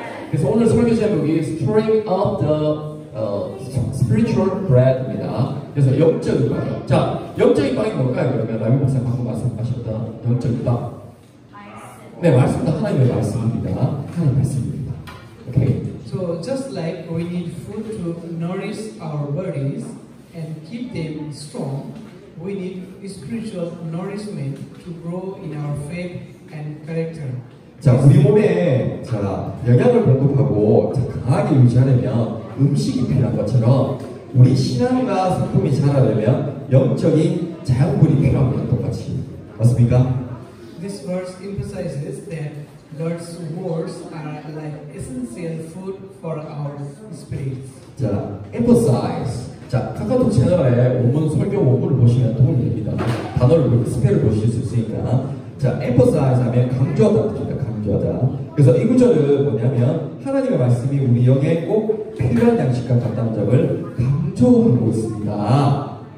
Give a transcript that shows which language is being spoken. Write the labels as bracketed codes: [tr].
[ko] 그래서 오늘 설교 제목이 [en] string of the spiritual bread [ko] 입니다. 그래서 영적인 빵이요. 자, 영적인 빵이 뭘까요? 그러면 라미 목사님 방금 말씀하셨던 영적인 빵. 네, 말씀도 하나님의 말씀입니다. 하나님의 말씀입니다. 오케이. [en] So just like we need food to nourish our bodies and keep them strong, we need spiritual nourishment to grow in our faith and character. [ko] 자, 우리 몸에 자 영양을 공급하고 자, 강하게 유지하려면 음식이 필요한 것처럼 우리 신앙과 성품이 자라려면 영적인 자연분이 필요합니다. 똑같이. 맞습니까? [en] This verse emphasizes that God's words are like essential food for our spirit. [ko] 자, emphasize. 자, 카카오 채널의 원문 설교 원문을 보시면 도움이 됩니다. 단어를 스펠을 보실 수 있으니까. 자, emphasize 하면 강조하다 뜻입니다. 강조하다. 그래서 이 구절은 뭐냐면 하나님의 말씀이 우리 영에 꼭 필요한 양식과 같다는 점을 강조하고 있습니다.